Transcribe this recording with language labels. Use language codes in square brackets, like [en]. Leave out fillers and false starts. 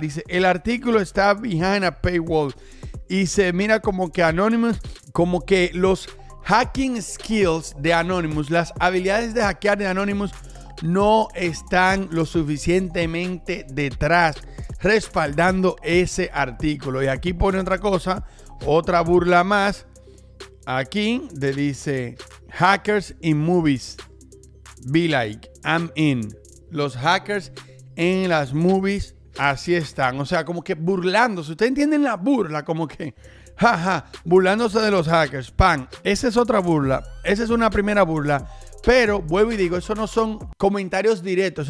[es] Dice, el artículo está [en] behind a paywall. [es] Y se mira como que Anonymous, como que los [en] hacking skills [es] de Anonymous, las habilidades de hackear de Anonymous no están lo suficientemente detrás, respaldando ese artículo. Y aquí pone otra cosa, otra burla más. Aquí le dice, [en] hackers in movies, be like, I'm in. [es] Los hackers en las movies, así están. O sea, como que burlándose. ¿Ustedes entienden la burla? Como que, jaja, burlándose de los hackers. Pan, esa es otra burla. Esa es una primera burla. Pero vuelvo y digo, eso no son comentarios directos.